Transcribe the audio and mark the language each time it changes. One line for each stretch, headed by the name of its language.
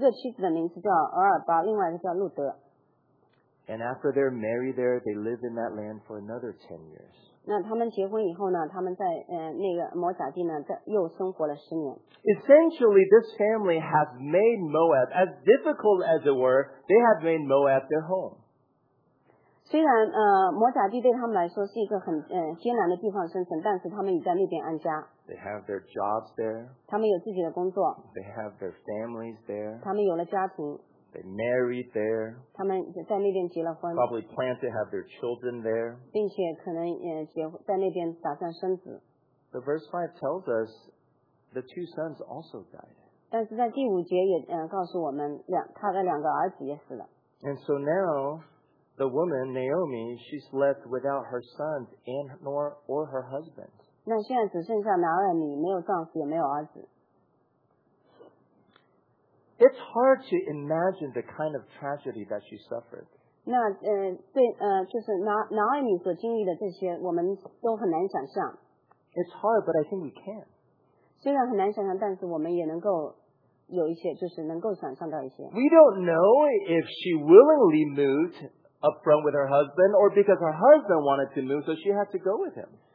Chinese: 一个妻子的名字叫俄尔巴,另外一个叫路德。
English: And after they're married there, they live in that land for another 10 years.
Chinese: 那他们结婚以后呢,他们在那个摩甲地呢,又生活了10年。
English: Essentially, this family has made Moab, as difficult as it were, they have made Moab their home.
Chinese: 虽然, 摩甲地对他们来说是一个很, 艰难的地方生存,但是他们已在那边安家。
English: They have their jobs there.
Chinese: 他们有自己的工作。
English: They have their families there.
Chinese: 他们有了家庭。
English: They married there.
Chinese: 他们在那边结了婚。
English: Probably plan to have their children there.
Chinese: 并且可能, 在那边打算生子。
English: The verse 5 tells us the two sons also died.
Chinese: 但是在第五节也, 告诉我们, 他的两个儿子也死了。
English: And so now, the woman, Naomi, she's left without her sons and nor or her husband.
Chinese: 那现在只剩下拿俄米, 没有丈夫, 也没有儿子。
English: It's hard to imagine the kind of tragedy that she suffered.
Chinese: 那, 就是拿俄米所经历的这些, 我们都很难想象。
English: It's hard, but I think we can.
Chinese: 虽然很难想象, 但是我们也能够, 有一些, 就是能够想象到一些。
English: We don't know if she willingly moved up front with her husband, or because her husband wanted to move, so she had to go with him.